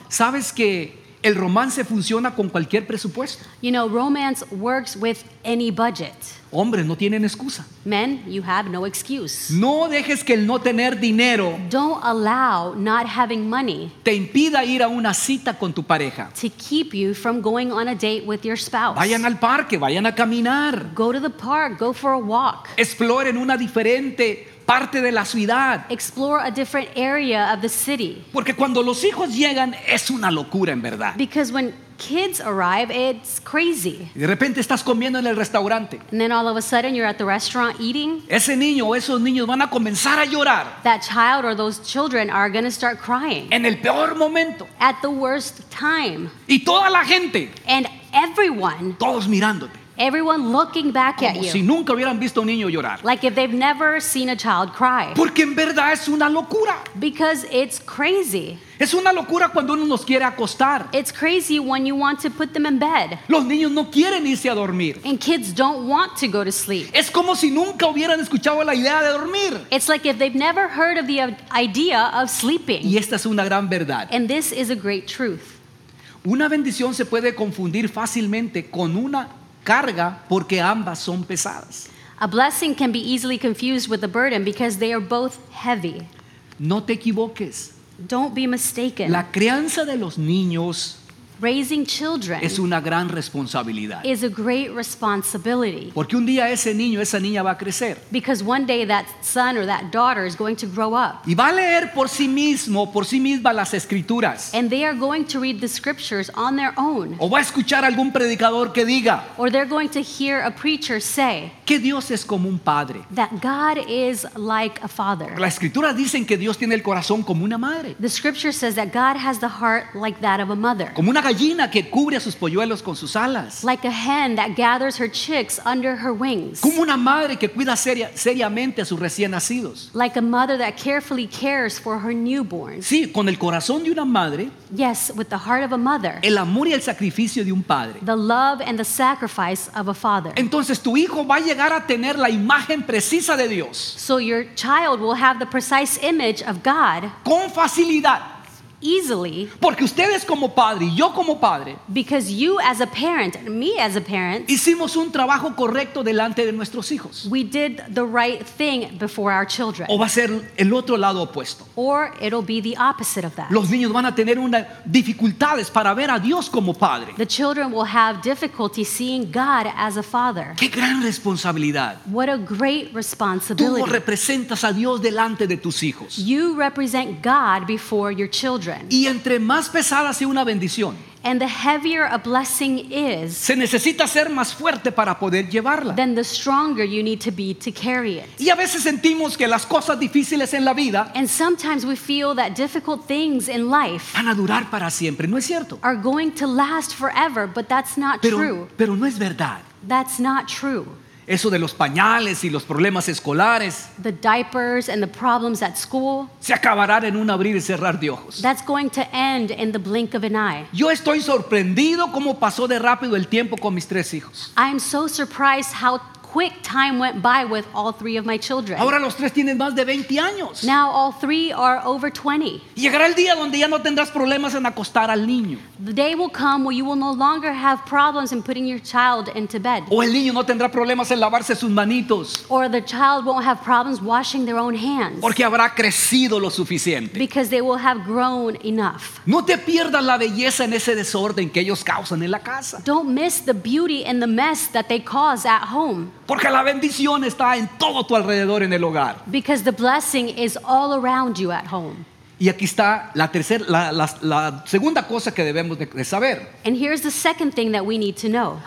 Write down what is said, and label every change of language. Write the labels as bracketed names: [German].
[Spanish] ¿Sabes que el romance funciona con cualquier presupuesto? [English] You know, romance works with any budget. [Spanish] Hombres, no tienen excusa. [English] Men, you have no excuse. [Spanish] No dejes que el no tener dinero. [English] Don't allow not having money. [Spanish] Te impida ir a una cita con tu pareja. [English] To keep you from going on a date with your spouse. [Spanish] Vayan al parque, vayan a caminar. [English] Go to the park, go for a walk. [Spanish] Exploren una diferente parte de la ciudad. [English] Explore a different area of the city. [Spanish] Porque cuando los hijos llegan es una locura en verdad. [English] Because when kids arrive, it's crazy. [Spanish] Y de repente estás comiendo en el restaurante. [English] And then all of a sudden you're at the restaurant eating. [Spanish] Ese niño o esos niños van a comenzar a llorar. [English] That child or those children are going to start crying. [Spanish] En el peor momento. [English] At the worst time. [Spanish] Y toda la gente. [English] And everyone. [Spanish] Todos mirándote. [English] Everyone looking back [Spanish] como [English] at you. [Spanish] Si nunca hubieran visto un niño llorar. [English] Like if they've never seen a child cry. [Spanish] Porque en verdad es una locura. [English] Because it's crazy. [Spanish] Es una locura cuando uno los quiere acostar. [English] It's crazy when you want to put them in bed. [Spanish] Los niños no quieren irse a dormir. [English] And kids don't want to go to sleep. [Spanish] Es como si nunca hubieran escuchado la idea de dormir. [English] It's like if they've never heard of the idea of sleeping. [Spanish] Y esta es una gran verdad. [English] And this is a great truth. [Spanish] Una bendición se puede confundir fácilmente con una carga porque ambas son pesadas. [English] A blessing can be easily confused with a burden because they are both heavy. [Spanish] No te equivoques. [English] Don't be mistaken. [Spanish] La crianza de los niños [English] Raising children [Spanish] es una gran responsabilidad. [English] Is a great responsibility. [Spanish] Porque un día ese niño, esa niña va a crecer. [English] Because one day that son or that daughter is going to grow up. [Spanish] Y va a leer por sí mismo, por sí misma las escrituras. [English] And they are going to read the scriptures on their own. [Spanish] O va a escuchar algún predicador que diga. [English] Or they're going to hear a preacher say. [Spanish] Que Dios es como un padre. [English] That God is like a father. [Spanish] Las escrituras dicen que Dios tiene el corazón como una madre. [English] The scripture says that God has the heart like that of a mother. [Spanish] Como una gallina que cubre a sus polluelos con sus alas. [English] Like a hen that gathers her chicks under her wings. [Spanish] Como una madre que cuida seriamente a sus recién nacidos. [English] Like a mother that carefully cares for her newborn. [Spanish] Sí, con el corazón de una madre. [English] Yes, with the heart of a mother. [Spanish] El amor y el sacrificio de un padre. [English] The love and the sacrifice of a father. [Spanish] Entonces tu hijo va a llegar a tener la imagen precisa de Dios. [English] So your child will have the precise image of God. [Spanish] Con facilidad. [English] Easily, [Spanish] porque ustedes como padre y yo como padre, [English] because you as a parent and me as a parent, [Spanish] hicimos un trabajo correcto delante de nuestros hijos. [English] We did the right thing before our children. [Spanish] O va a ser el otro lado opuesto. [English] Or it'll be the opposite of that. [Spanish] Los niños van a tener unas dificultades para ver a Dios como padre. [English] The children will have difficulty seeing God as a father. [Spanish] Qué gran responsabilidad. [English] What a great responsibility. [Spanish] Tú representas a Dios delante de tus hijos. [English] You represent God before your children. [Spanish] Y entre más pesada sea una bendición, [English] and the heavier a blessing is, [Spanish] se necesita ser más fuerte para poder llevarla, [English] then the stronger you need to be to carry it. [Spanish] Y a veces sentimos que las cosas difíciles en la vida, [English] and sometimes we feel that difficult things in life, [Spanish] van a durar para siempre. No es cierto. [English] Are going to last forever, but that's not true. [Spanish] Pero no es verdad. [English] That's not true. [Spanish] Eso de los pañales y los problemas escolares, [English] the diapers and the problems at school, [Spanish] se acabará en un abrir y cerrar de ojos. [English] That's going to end in the blink of an eye. [Spanish] Yo estoy sorprendido cómo pasó de rápido el tiempo con mis tres hijos. [English] I'm so surprised how quick time went by with all three of my children. [Spanish] Ahora los tres tienen más de 20 años. [English] Now all three are over 20. [Spanish] Llegará el día donde ya no tendrás problemas en acostar al niño. [English] The day will come where you will no longer have problems in putting your child into bed. [Spanish] O el niño no tendrá problemas en lavarse sus manitos. [English] Or the child won't have problems washing their own hands. [Spanish] Porque habrá crecido lo suficiente. [English] Because they will have grown enough. [Spanish] No te pierdas la belleza en ese desorden que ellos causan en la casa. [English] Don't miss the beauty and the mess that they cause at home. [Spanish] Porque la bendición está en todo tu alrededor en el hogar. [English] Because the blessing is all around you at home. [Spanish] Y aquí está la tercera, la segunda cosa que debemos de saber. [English] And here's the second thing that we need to know.